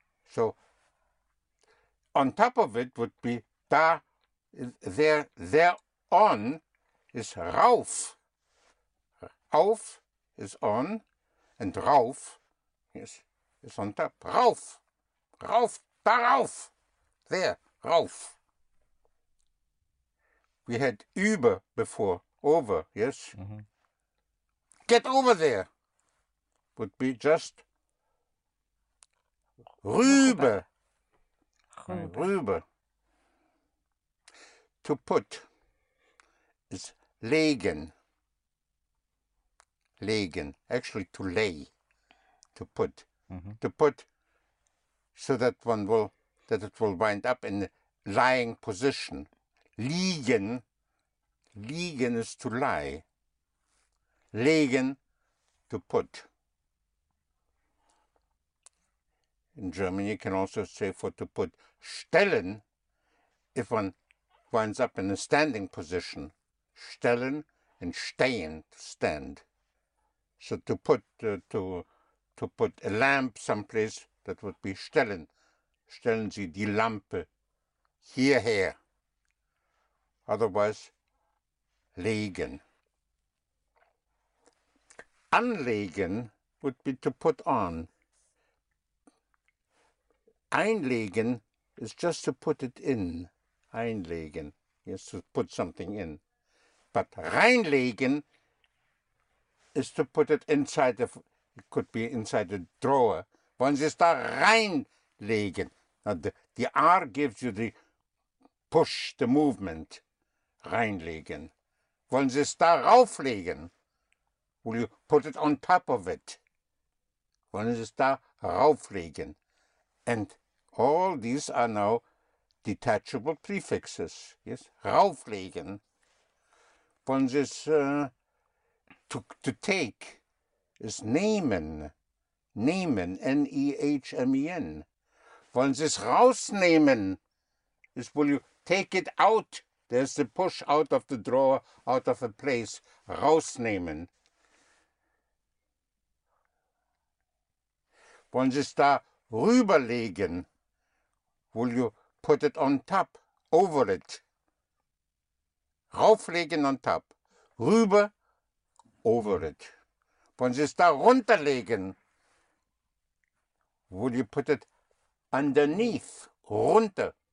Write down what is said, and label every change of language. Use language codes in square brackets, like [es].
[en] So, on top of it would be da, there on is rauf. Auf is on, and rauf, yes, is on top. Rauf, rauf, da rauf, there, rauf. We had über before, over, yes? Mm-hmm. Get over there would be just rüber. Rüber. To put is legen. Legen. Actually, to lay. To put. Mm-hmm. To put so that one will, that it will wind up in a lying position. Liegen. Liegen is to lie. Legen, to put. In German, you can also say for to put stellen, if one winds up in a standing position. Stellen and stehen, to stand. So to put to put a lamp someplace, that would be stellen. [de] Stellen Sie die Lampe hierher. [en] Otherwise, legen. Anlegen would be to put on. Einlegen is just to put it in. Einlegen is to put something in. But reinlegen is to put it inside, it could be inside a drawer. [de] Wollen Sie es da reinlegen? [en] Now the R gives you the push, the movement. [de] Reinlegen. Wollen Sie es da rauflegen? [en] Will you put it on top of it? [de] Wollen Sie es da rauflegen? [en] And all these are now detachable prefixes. Yes? Rauflegen. [de] Wollen Sie es [en] to take is [de] nehmen. Nehmen. N-E-H-M-E-N. Wollen Sie es rausnehmen? [en] Is will you take it out? There's the push out of the drawer, out of a place, rausnehmen. [de] Wollen Sie es da rüberlegen? [en] Will you put it on top, over it? Rauflegen on top, rüber, over it. [de] Wollen Sie es da runterlegen? [en] Will you put it underneath, runter?